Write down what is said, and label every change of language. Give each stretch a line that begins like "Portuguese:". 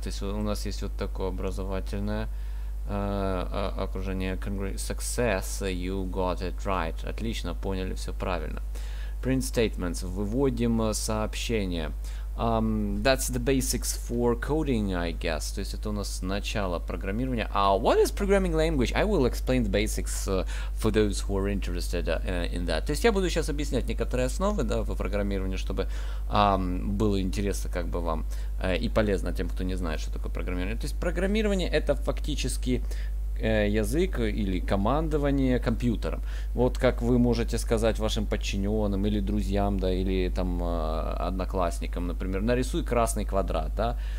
Russian: То есть у нас есть вот такое образовательное окружение.
English: Success, you got it right.
Russian: Отлично, поняли все правильно.
English: Print statements,
Russian: выводим сообщение.
English: That's the basics for coding, I guess.
Russian: То есть это у нас начало программирования.
English: What is programming language? I will explain the basics for those who are interested in that.
Russian: То есть я буду сейчас объяснять некоторые основы, да, в программировании, чтобы было интересно как бы вам и полезно тем, кто не знает, что такое программирование. То есть программирование — это фактически язык или командование компьютером. Вот как вы можете сказать вашим подчиненным или друзьям, да, или там одноклассникам, например, нарисуй красный квадрат, да.